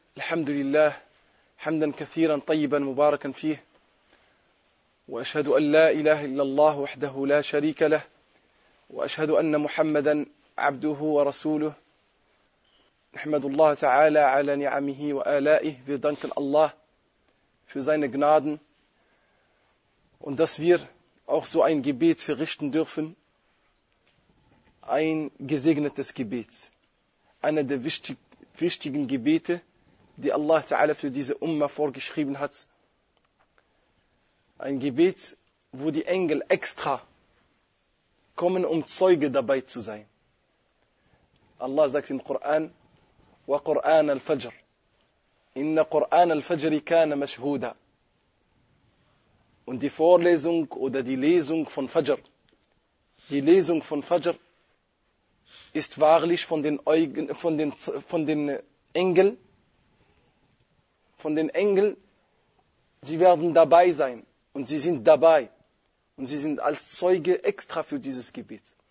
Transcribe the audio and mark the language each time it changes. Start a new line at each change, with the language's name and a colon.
Arabic: الحمد لله حمدا كثيرا طيبا مباركا فيه، وأشهد أن لا إله إلا الله وحده لا شريك له، وأشهد أن محمدا عبده ورسوله. نحمد الله تعالى على نعمه وآلائه.
German: Wir danken Allah für seine Gnaden und dass wir auch so ein Gebet verrichten dürfen, ein gesegnetes Gebet, einer der wichtigen Gebete, die Allah Ta'ala für diese Umma vorgeschrieben hat. Ein Gebet, wo die Engel extra kommen, um Zeuge dabei zu sein. Allah sagt im Koran,
Arabic: وَقُرْآنَ الْفَجْرِ إِنَّ قُرْآنَ الْفَجْرِ كَانَ مَشْهُودًا.
German: Und die Vorlesung oder die Lesung von Fajr, die Lesung von Fajr, ist wahrlich von den Engeln, sie werden dabei sein und sie sind dabei und sie sind als Zeuge extra für dieses Gebet.